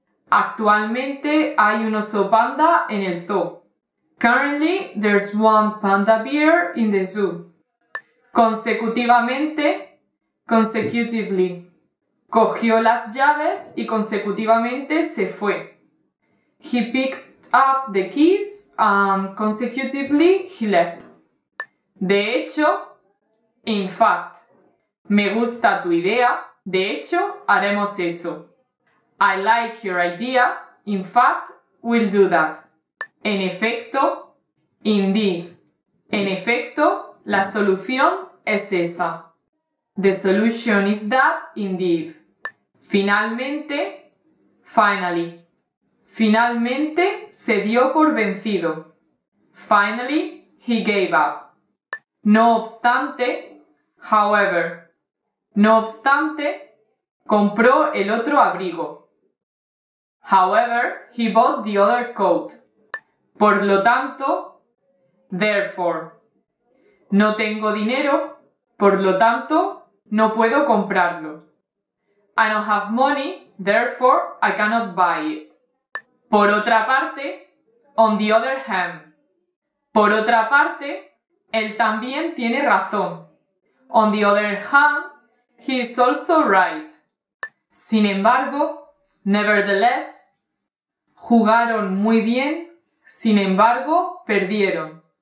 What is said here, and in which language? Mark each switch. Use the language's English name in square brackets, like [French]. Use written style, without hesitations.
[Spanish] Actualmente hay un oso panda en el zoo. [English] Currently, there's one panda bear in the zoo. [Spanish] Consecutivamente, consecutively. Cogió las llaves y consecutivamente se fue. [English] He picked up the keys and consecutively he left. [Spanish] De hecho, [English] in fact. [Spanish] Me gusta tu idea, de hecho, haremos eso. [English] I like your idea, in fact, we'll do that. [Spanish] En efecto, indeed. En efecto, la solución es esa. [English] The solution is that, indeed. Finalmente, finally. [Spanish] Finalmente, se dio por vencido. [English] Finally, he gave up. [Spanish] No obstante, however. No obstante, compró el otro abrigo. [English] However, he bought the other coat. [Spanish] Por lo tanto, [English] therefore. [Spanish] No tengo dinero, por lo tanto, no puedo comprarlo. [English] I don't have money, therefore, I cannot buy it. [Spanish] Por otra parte, [English] on the other hand. [Spanish] Por otra parte, él también tiene razón. [English] On the other hand, he is also right. [Spanish] Sin embargo, nevertheless, jugaron muy bien, sin embargo, perdieron.